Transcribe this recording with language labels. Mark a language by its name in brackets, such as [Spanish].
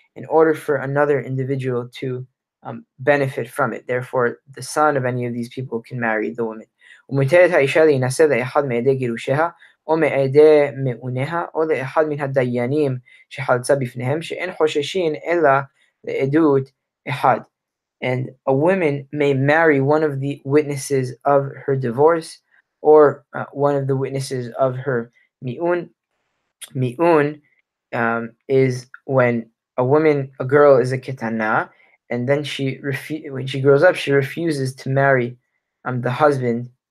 [English] in order for another individual to benefit from it. Therefore, the son of any of these people can marry the woman. [Hebrew] ומותרת האישה להינשא לאחד מעדי גירושיה, או מעדי מעוניה, או לאחד מן הדיינים שחלצה בפניהם, שאין חוששים אלא לעדות אחד. [English] And a woman may marry one of the witnesses of her divorce, or one of the witnesses of her mi'un. Mi'un is when a girl is a ketana, and then when she grows up, she refuses to marry the husband.